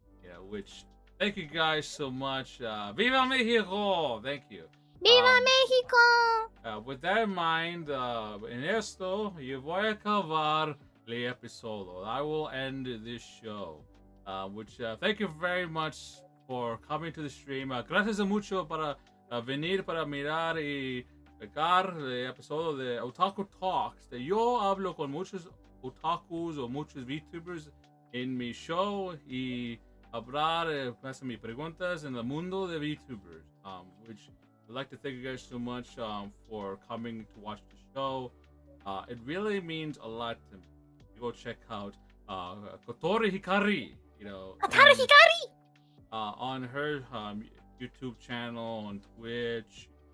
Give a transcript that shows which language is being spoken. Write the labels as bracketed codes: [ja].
[en] Yeah, which thank you guys so much. [es] Viva México! [en] Thank you. [es] Viva México! [en] With that in mind, [es] en esto yo voy a acabar. Episode. [en] I will end this show. Thank you very much for coming to the stream. [es] Gracias mucho para venir para mirar y pegar el episodio de Otaku Talks. Yo hablo con muchos otakus o muchos VTubers en mi show y hablar más mis preguntas en el mundo de VTubers. [en] Which I'd like to thank you guys so much for coming to watch the show. It really means a lot to me. Go check out Kotori Hikari, you know, Kotori Hikari on her YouTube channel, on Twitch.